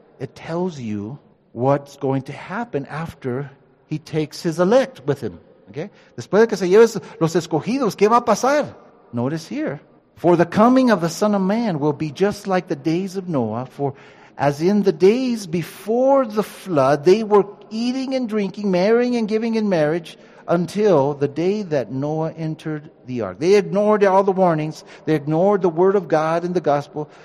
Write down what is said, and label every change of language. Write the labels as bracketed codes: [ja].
[en] it tells you what's going to happen after he takes his elect with him. Okay? [es] Después de que se lleve los escogidos, ¿qué va a pasar? [en] Notice here. For the coming of the Son of Man will be just like the days of Noah. For as in the days before the flood, they were eating and drinking, marrying and giving in marriage, until the day that Noah entered the ark. They ignored all the warnings. They ignored the word of God and the gospel.